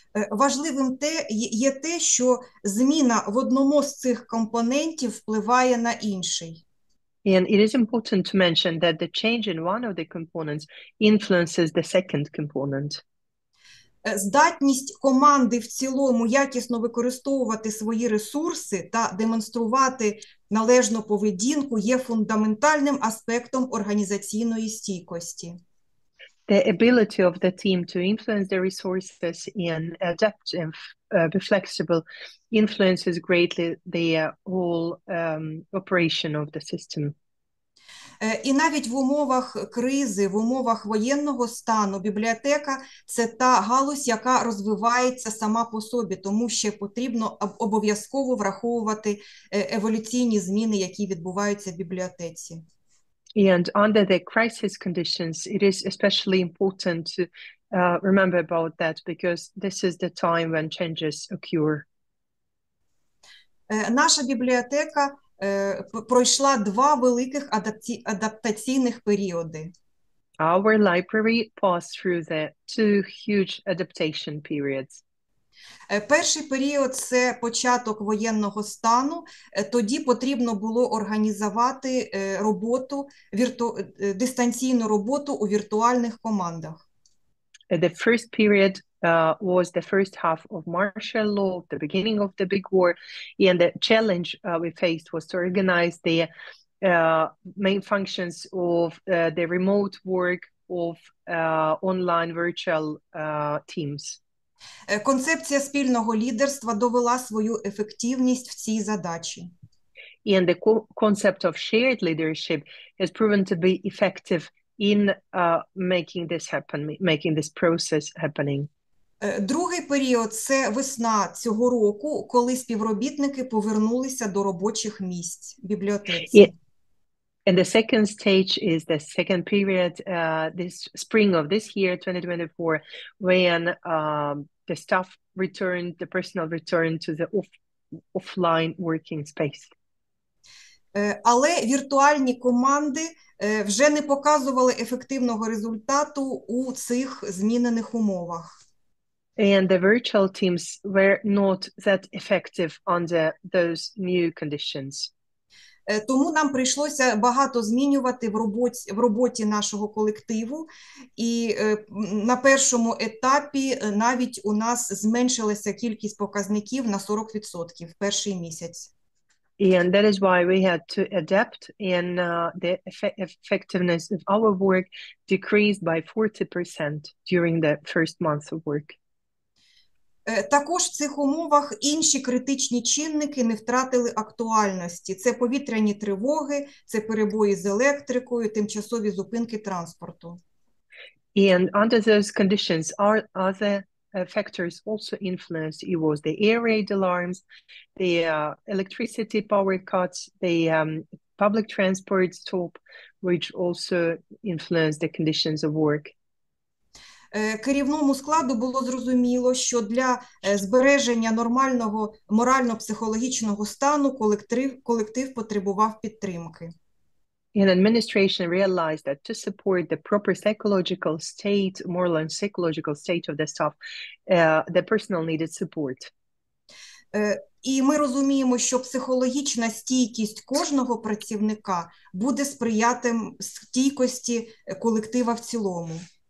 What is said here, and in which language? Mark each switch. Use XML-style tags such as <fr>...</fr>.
<uk>Важливим є те, що зміна в одному з цих компонентів впливає на інший.</uk> <en>And it is important to mention that the change in one of the components influences the second component.</en> <uk>Здатність команди в цілому якісно використовувати свої ресурси та демонструвати належну поведінку є фундаментальним аспектом організаційної стійкості.</uk> <en>The ability of the team to influence the resources and adapt and be flexible influences greatly the whole operation of the system.</en> <uk>І навіть в умовах кризи, в умовах воєнного стану, бібліотека – це та галузь, яка розвивається сама по собі, тому ще потрібно обов'язково враховувати еволюційні зміни, які відбуваються в бібліотеці.</uk> <en>And under the crisis conditions, it is especially important to remember about that, because this is the time when changes occur.</en> <uk>Наша бібліотека – пройшла два великих адаптаційних періоди.</uk> <en>Our library passed through the two huge adaptation periods.</en> <uk>Перший період – це початок воєнного стану. Тоді потрібно було організувати роботу, дистанційну роботу у віртуальних командах.</uk> <en>The first period was the first half of martial law, the beginning of the big war, and the challenge we faced was to organize the main functions of the remote work of online virtual teams.</en> <uk>Концепція спільного лідерства довела свою ефективність в цій задачі.</uk> <en>And the concept of shared leadership has proven to be effective in making this happen, making this process happening.</en> <uk>Другий період – це весна цього року, коли співробітники повернулися до робочих місць бібліотеки.</uk> <en>And the second stage is the second period, this spring of this year, 2024, when the staff returned, the personnel returned to the offline working space.</en> <uk>Але віртуальні команди вже не показували ефективного результату у цих змінених умовах.</uk> <en>And the virtual teams were not that effective under those new conditions.</en> <uk>Тому нам прийшлося багато змінювати в роботі нашого колективу. І на першому етапі навіть у нас зменшилася кількість показників на 40% в перший місяць.</uk> <en>And that is why we had to adapt, and the effectiveness of our work decreased by 40% during the first month of work.</en> <uk>Також в цих умовах інші критичні чинники не втратили актуальності. Це повітряні тривоги, це перебої з електрикою, тимчасові зупинки транспорту.</uk> <en>And under those conditions, are other factors also influenced. It was the air raid alarms, the electricity power cuts, the public transport stop, which also influenced the conditions of work.</en> <uk>Керівному складу було зрозуміло, що для збереження нормального морально-психологічного стану колектив потребував підтримки.</uk> <en>And administration realized that to support the proper psychological state, moral and psychological state of the staff, the personnel needed support.</en> <uk>І ми розуміємо, що психологічна стійкість кожного працівника буде сприяти стійкості колектива в цілому.</uk>